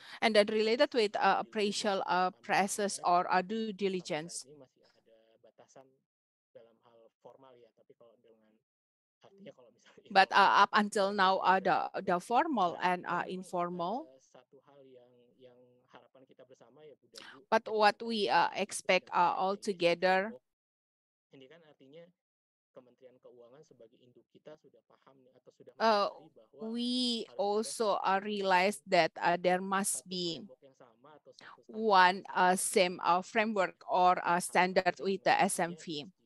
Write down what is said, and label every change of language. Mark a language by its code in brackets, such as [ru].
[en] And then related with appraisal process or due diligence. [id] Ini masih ada batasan dalam hal formal ya, tapi kalau dengan artinya kalau misalnya. [en] But up until now [id] ada [en] the formal and informal. [id] Satu hal yang harapan kita bersama ya Bu. [en] But what we expect all together. [id] Ini kan artinya Kementerian Keuangan sebagai induk kita sudah paham atau sudah bahwa [en] we also realize that there must be one same framework or a standard with the SMV.